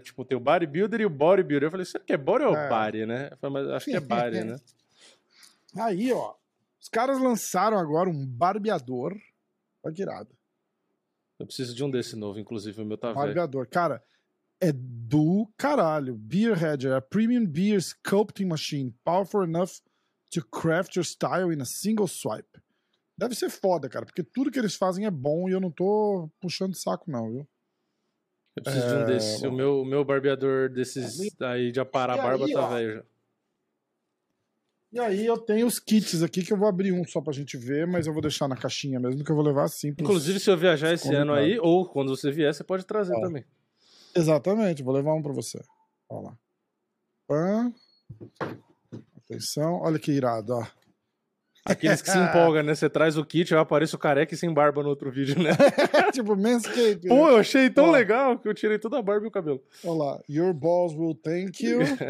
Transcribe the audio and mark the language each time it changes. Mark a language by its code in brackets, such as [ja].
[pt] Tipo, tem o bodybuilder e o bodybuilder. Eu falei, será que é body ou body, né? Eu falei, mas acho que é body, né? Aí, ó. Os caras lançaram agora um barbeador. Olha que irado. Eu preciso de um desse novo, inclusive. O meu tá velho. Barbeador. Cara. É do caralho. [en] Beer Hedger, a premium beer sculpting machine, powerful enough to craft your style in a single swipe. [pt] Deve ser foda, cara, porque tudo que eles fazem é bom e eu não tô puxando saco, não, viu? Eu preciso de um desse. O meu barbeador desses aí de aparar a barba tá velho já. E aí eu tenho os kits aqui que eu vou abrir um só pra gente ver, mas eu vou deixar na caixinha mesmo, que eu vou levar assim. Inclusive, se eu viajar esse ano aí, ou quando você vier, você pode trazer também. Exatamente, vou levar um pra você. Olha lá. Pã. Atenção, olha que irado, ó. Aqueles que se empolgam, né? Você traz o kit, eu apareço careca e sem barba no outro vídeo, né? Tipo, Manscaped. Né? Pô, eu achei tão legal que eu tirei toda a barba e o cabelo. Olha lá, [en] your balls will thank you.